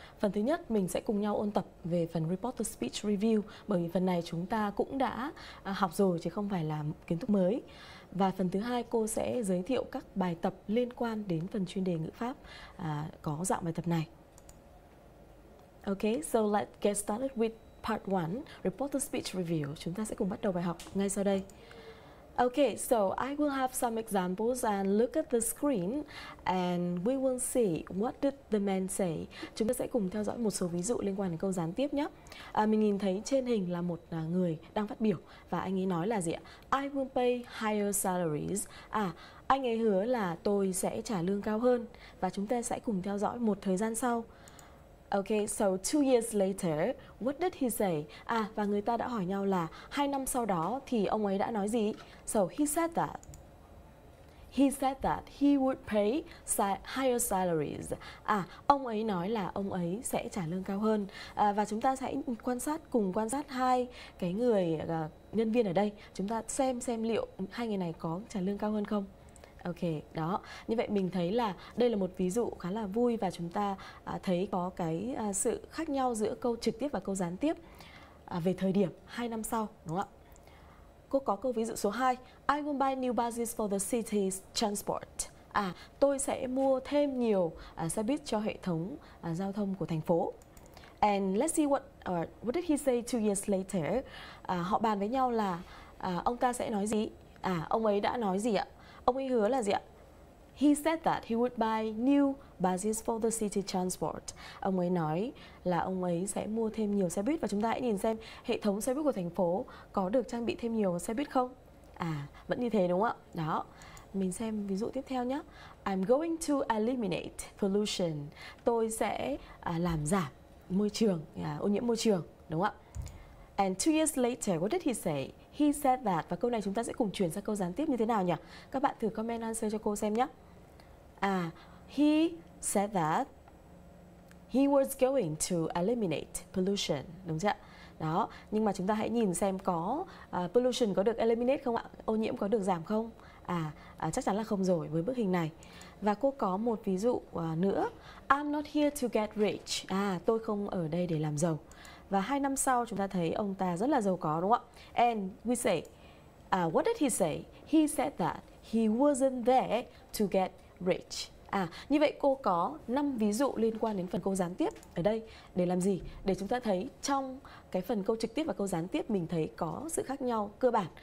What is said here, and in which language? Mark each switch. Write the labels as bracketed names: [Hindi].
[Vietnamese] Phần thứ nhất, mình sẽ cùng nhau ôn tập về phần report to speech review, bởi vì phần này chúng ta cũng đã học rồi chứ không phải là kiến thức mới. Và phần thứ hai, cô sẽ giới thiệu các bài tập liên quan đến phần chuyên đề ngữ pháp có dạng bài tập này. [English] Okay, so let's get started with part 1, report to speech review. [Vietnamese] Chúng ta sẽ cùng bắt đầu bài học ngay sau đây. [English] Okay, so I will have some examples and look at the screen and we will see what did the man say. [Vietnamese] Chúng ta sẽ cùng theo dõi một số ví dụ liên quan đến câu gián tiếp nhé. Mình nhìn thấy trên hình là một người đang phát biểu và anh ấy nói là gì ạ? [English] I will pay higher salaries. [Vietnamese] Anh ấy hứa là tôi sẽ trả lương cao hơn, và chúng ta sẽ cùng theo dõi một thời gian sau. [English] Okay, so 2 years later, what did he say? [Vietnamese] Và người ta đã hỏi nhau là 2 năm sau đó thì ông ấy đã nói gì? [English] So he said that. He said that he would pay higher salaries. [Vietnamese] Ông ấy nói là ông ấy sẽ trả lương cao hơn. Và chúng ta sẽ quan sát hai cái người nhân viên ở đây. Chúng ta xem liệu hai người này có trả lương cao hơn không. Ok, đó. Như vậy mình thấy là đây là một ví dụ khá là vui, và chúng ta thấy có cái sự khác nhau giữa câu trực tiếp và câu gián tiếp về thời điểm 2 năm sau, đúng không ạ? Cô có câu ví dụ số 2. [English] I will buy new buses for the city's transport. [Vietnamese] Tôi sẽ mua thêm nhiều xe buýt cho hệ thống giao thông của thành phố. [English] And let's see what did he say 2 years later? [Vietnamese] Họ bàn với nhau là ông ta sẽ nói gì? Ông ấy đã nói gì ạ? Ông ấy hứa là gì ạ? [English] He said that he would buy new buses for the city transport. [Vietnamese] Ông ấy nói là ông ấy sẽ mua thêm nhiều xe buýt. Và chúng ta hãy nhìn xem hệ thống xe buýt của thành phố có được trang bị thêm nhiều xe buýt không? Vẫn như thế đúng không ạ? Đó, mình xem ví dụ tiếp theo nhé. [English] I'm going to eliminate pollution. [Vietnamese] Tôi sẽ làm giảm môi trường, ô nhiễm môi trường, đúng không ạ? [English] And 2 years later, what did he say? He said that. [Vietnamese] Và câu này chúng ta sẽ cùng chuyển sang câu gián tiếp như thế nào nhỉ? Các bạn thử comment answer cho cô xem nhé. [English] He said that he was going to eliminate pollution. [Vietnamese] Đúng chưa? Đó. Nhưng mà chúng ta hãy nhìn xem có pollution có được eliminate không ạ? Ô nhiễm có được giảm không? Chắc chắn là không rồi với bức hình này. Và cô có một ví dụ nữa. [English] I'm not here to get rich. [Vietnamese] Tôi không ở đây để làm giàu. Và 2 năm sau chúng ta thấy ông ta rất là giàu có, đúng không ạ? [English] And we say, what did he say? He said that he wasn't there to get rich. [Vietnamese] Như vậy cô có 5 ví dụ liên quan đến phần câu gián tiếp ở đây để làm gì? Để chúng ta thấy trong cái phần câu trực tiếp và câu gián tiếp mình thấy có sự khác nhau cơ bản.